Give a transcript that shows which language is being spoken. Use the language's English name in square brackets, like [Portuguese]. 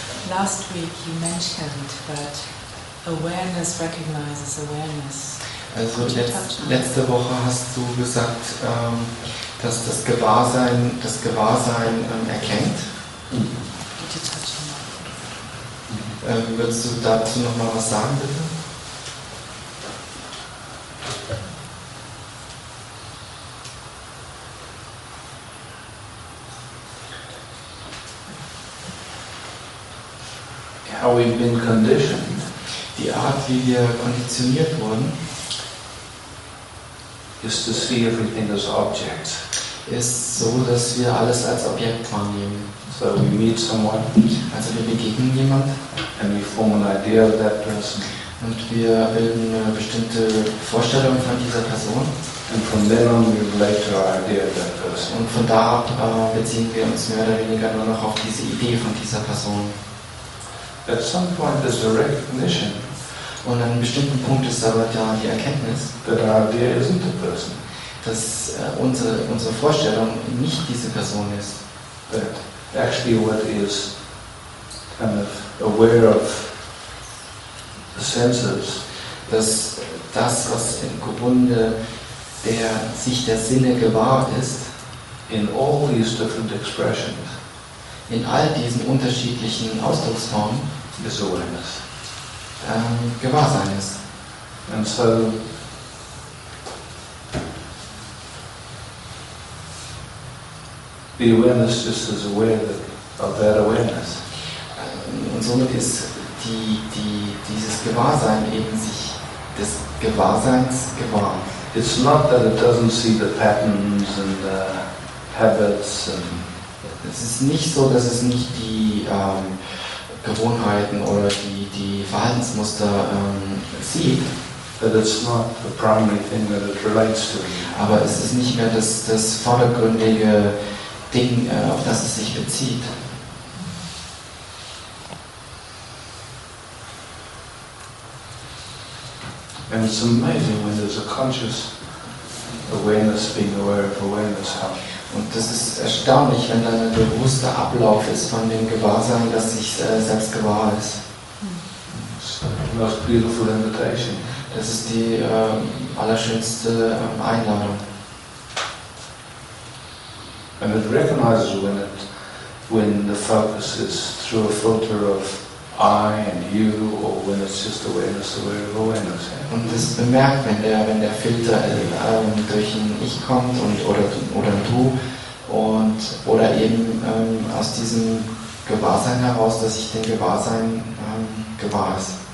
[English] Last week you mentioned that awareness recognizes awareness. [German] Also letzte Woche hast du gesagt, dass das Gewahrsein erkennt. [English] Could you touch on that? [German] Würdest du dazu noch mal was sagen bitte? [English] How we've been conditioned. [German] Die Art, wie wir konditioniert wurden, [English] is to see everything as object. [German] Ist so, dass wir alles als Objekt wahrnehmen. [English] So we meet someone. [German] Also wir begegnen jemand. [English] And we form an idea of that person. [German] Und wir bilden eine bestimmte Vorstellung von dieser Person. [English] And from then on we relate to our idea of that person. [German] Und von da ab beziehen wir uns mehr oder weniger nur noch auf diese Idee von dieser Person. [English] At some point there's a recognition. [German] Und an einem bestimmten Punkt ist aber ja die Erkenntnis, [English] that our idea isn't the person. [German] Dass unsere Vorstellung nicht diese Person ist. [English] That actually what is kind of aware of the senses. [German] Dass das, was im Grunde der sich der Sinne gewahr ist, [English] in all these different expressions, [German] in all diesen unterschiedlichen Ausdrucksformen [English] is awareness. [German] Gewahrsein ist. [English] And so the awareness just is aware of that awareness. [German] Und somit ist dieses Gewahrsein eben sich des Gewahrseins gewahr. [English] It's not that it doesn't see the patterns and the habits and [German] es ist nicht so, dass es nicht die Gewohnheiten oder die Verhaltensmuster sieht. [English] But it's not the primary thing that it relates to. [German] Aber es ist nicht mehr das vordergründige Ding, auf das es sich bezieht. [English] And it's amazing when there's a conscious awareness being aware of awareness. [German] Und das ist erstaunlich, wenn dann ein bewusster Ablauf ist von dem Gewahrsein, dass sich selbst gewahr ist. [English] Most beautiful invitation. [German] Das ist die allerschönste Einladung. [English] And it recognizes when the focus is through a filter of I and you, or when it's just awareness aware of awareness. [German] Und es bemerkt, wenn der Filter durch ein Ich kommt oder ein Du und oder eben aus diesem Gewahrsein heraus, dass ich den Gewahrsein gewahr ist.